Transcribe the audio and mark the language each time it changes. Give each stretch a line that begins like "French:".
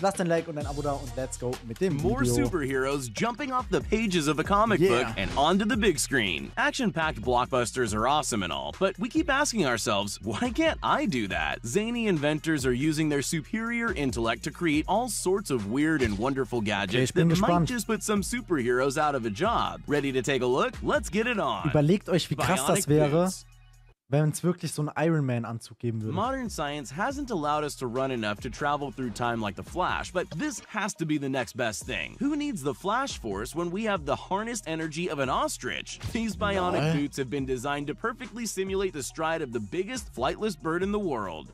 German: Lasst ein Like und ein Abo da und
English: let's go
German: mit dem Video.
English: More superheroes jumping off the pages of a comic book and onto the big screen. Action-packed blockbusters are awesome and all, but we keep asking ourselves, why can't I do that? Zany inventors are using their superior intellect to create all sorts of weird and wonderful gadgets that might just put some superheroes out of a job. Ready to take a look? Let's get it on.
German: Überlegt euch, wie krass das wäre, wenn es wirklich so einen Iron Man Anzug geben würde.
English: Modern science hasn't allowed us to run enough to travel through time like the Flash, but this has to be the next best thing. Who needs the Flash Force when we have the harnessed energy of an ostrich? These bionic boots have been designed to perfectly simulate the stride of the biggest flightless bird in the world.